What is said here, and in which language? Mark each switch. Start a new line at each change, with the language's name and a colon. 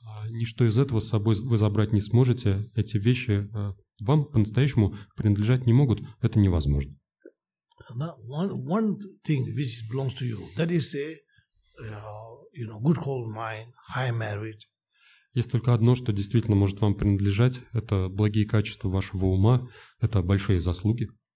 Russian: Ничто из этого с собой вы забрать не сможете. Эти вещи вам по-настоящему принадлежать не могут. Это невозможно.
English: One thing which belongs to you, that is a, you know, good whole mind, high merit.
Russian: Есть только одно, что действительно может вам принадлежать. Это благие качества вашего ума. Это большие заслуги.